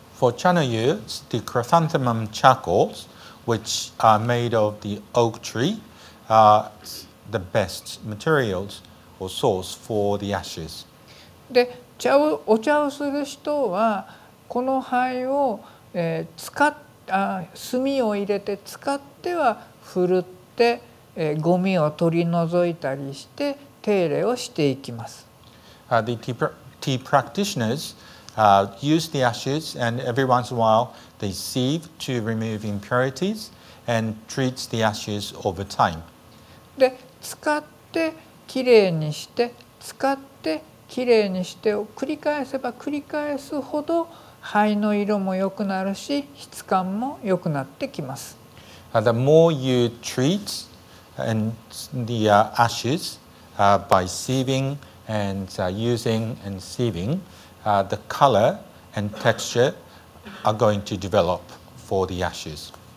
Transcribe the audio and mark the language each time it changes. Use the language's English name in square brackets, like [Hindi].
[English] For Chano Yu, the chrysanthemum charcoals, which are made of the oak tree, are the best materials or source for the ashes. [Japanese] で、お茶をする人はこの灰を、炭を入れて使ってはふるって、ゴミを取り除いたりして手入れをしていきます。 [English] The tea practitioners use the ashes and every once in a while they sieve to remove impurities and treat the ashes over time. [Japanese] で、使ってきれいにして使ってきれいにしてを繰り返せば繰り返すほど灰の色も良くなるし質感も良くなってきます。 [English] The more you treat the ashes by sieving and using and sieving, the color and texture are going to develop for the ashes.